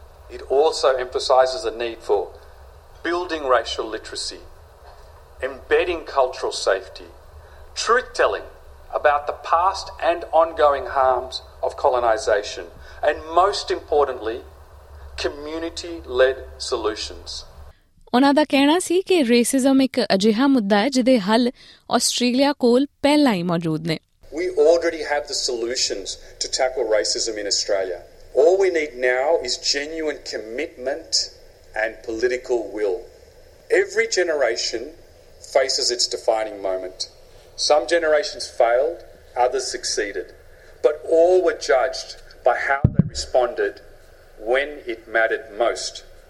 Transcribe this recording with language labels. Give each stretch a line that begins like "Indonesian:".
English: It also emphasises the need for building racial literacy, embedding cultural safety, truth-telling about the past and ongoing harms of colonisation, and most importantly, community-led solutions.
Punjabi: ਉਹਨਾਂ ਦਾ ਕਹਿਣਾ ਸੀ ਕਿ racism ਇੱਕ ਅਜਿਹਾ ਮੁੱਦਾ ਹੈ ਜਿਹਦੇ ਹੱਲ ਆਸਟ੍ਰੇਲੀਆ ਕੋਲ ਪਹਿਲਾਂ ਹੀ ਮੌਜੂਦ ਨੇ।
English: We already have the solutions to tackle racism in Australia. All we need now is genuine commitment and political will. Every generation faces its defining moment. Some generations failed, others succeeded. But all were judged by how they responded when it mattered most.